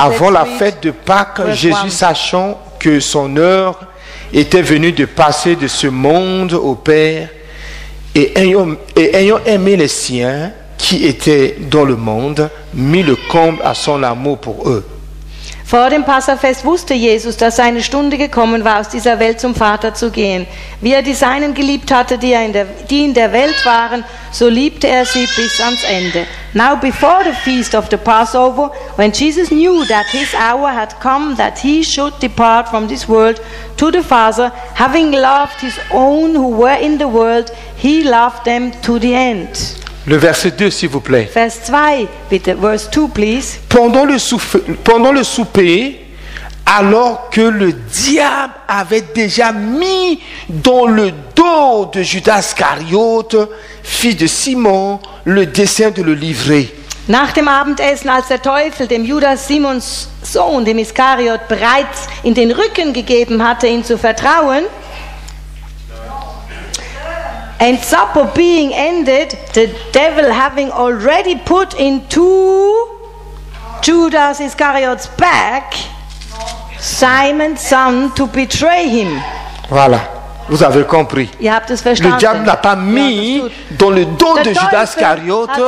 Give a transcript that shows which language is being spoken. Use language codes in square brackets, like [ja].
[fr] Avant la fête de Pâques, Jésus, sachant que son heure était venue de passer de ce monde au Père, et ayant aimé les siens qui étaient dans le monde, mit le comble à son amour pour eux. [de] Vor dem Passafest wusste Jesus, dass seine Stunde gekommen war, aus dieser Welt zum Vater zu gehen. Wie er die Seinen geliebt hatte, die in der Welt waren, so liebte er sie bis ans Ende. [en] Now before the feast of the Passover, when Jesus knew that his hour had come, that he should depart from this world to the Father, having loved his own who were in the world, he loved them to the end. [fr] Le verset 2, s'il vous plaît. [de] Vers 2, bitte. [en] Verse 2, please. [fr] Pendant le souper, alors que le diable avait déjà mis dans le dos de Judas Iscariote, fils de Simon, le dessein de le livrer. [de] Nach dem Abendessen, als der Teufel dem Judas Simons Sohn, dem Iskariot, bereits in den Rücken gegeben hatte, ihn zu vertrauen. [en] And supper being ended, the devil having already put into Judas Iscariot's back Simon's son to betray him. [fr] Voilà, vous avez compris. [de] Ihr habt es verstanden. [fr] Le diable n'a pas mis dans le dos de Judas Iscariot